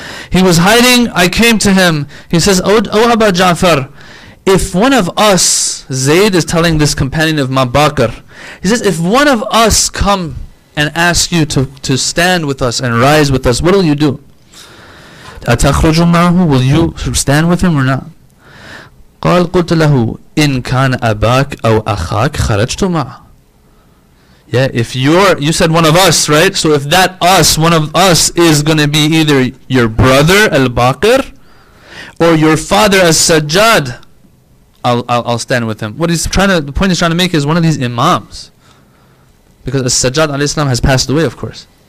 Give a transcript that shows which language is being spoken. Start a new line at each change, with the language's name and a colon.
English: He was hiding, I came to him. He says, O Abu Ja'far, if one of us, Zayd is telling this companion of Imam al-Baqir, he says, if one of us come and ask you to stand with us and rise with us, what will you do?
Arabic: أَتَخْرُجُ مَعَهُ,
English: will you stand with him or not?
Arabic: قَالْ قُلْتُ لَهُ إِنْ كَانَ أَبَاكَ أَوْ أَخَاكَ خَرَجْتُ مَعَهُ.
English: Yeah, if you said one of us, right? So if that us, one of us, is going to be either your brother, Al-Baqir, or your father, As-Sajjad, I'll stand with him. What he's trying to, the point he's trying to make is one of these imams. Because As-Sajjad alayhi salam has passed away, of course.